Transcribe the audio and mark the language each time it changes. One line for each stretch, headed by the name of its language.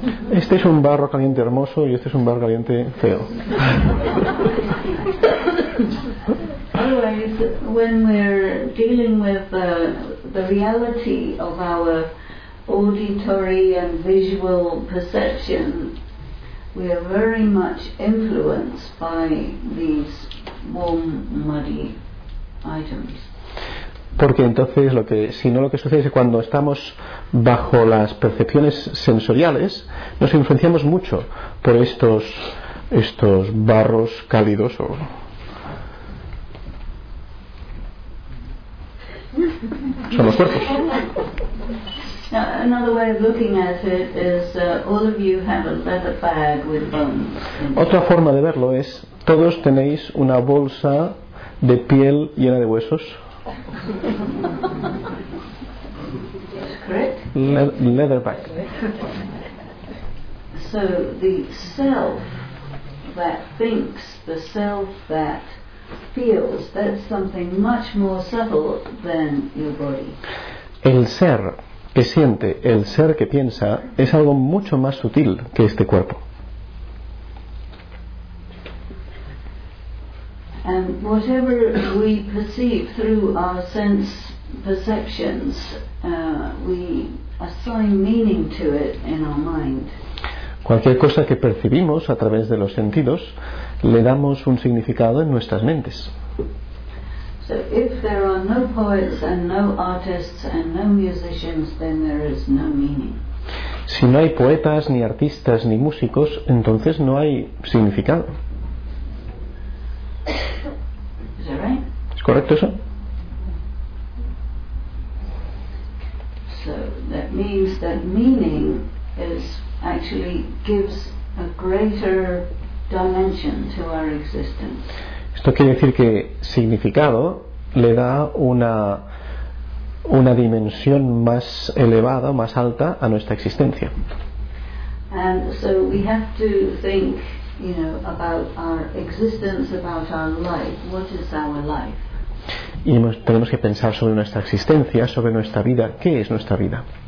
Spanish: Este es un barro caliente hermoso y este es un barro caliente feo.
English: Otherwise, when we're dealing with the reality of our auditory and visual perception, we are very much influenced by these warm, muddy items.
Spanish: Porque entonces lo que si no lo que sucede es que cuando estamos bajo las percepciones sensoriales nos influenciamos mucho por estos barros cálidos o son los cuerpos.
English: Another way of looking at it is all of you have a leather bag with bones.
Spanish: Otra forma de verlo es todos tenéis una bolsa de piel llena de huesos.
English: Leather bag. So the self that thinks, the self that feels, that's something much more subtle than your body.
Spanish: El ser que siente, el ser que piensa, es algo mucho más sutil que este cuerpo.
English: And whatever we perceive through our sense perceptions, we assign meaning to it in our mind.
Spanish: Cualquier cosa que percibimos a través de los sentidos, le damos un significado en nuestras mentes.
English: So if there are no poets and no artists and no musicians, then there is no meaning.
Spanish: Si no hay poetas, ni artistas, ni músicos, entonces no hay significado. ¿Correcto eso?
English: So that means that meaning is actually gives a greater dimension to our existence.
Spanish: Esto quiere decir que significado le da una dimensión más elevada, más alta a nuestra existencia.
English: And so we have to think, you know, about our existence, about our life. What is our life?
Spanish: Y tenemos que pensar sobre nuestra existencia, sobre nuestra vida. ¿Qué es nuestra vida?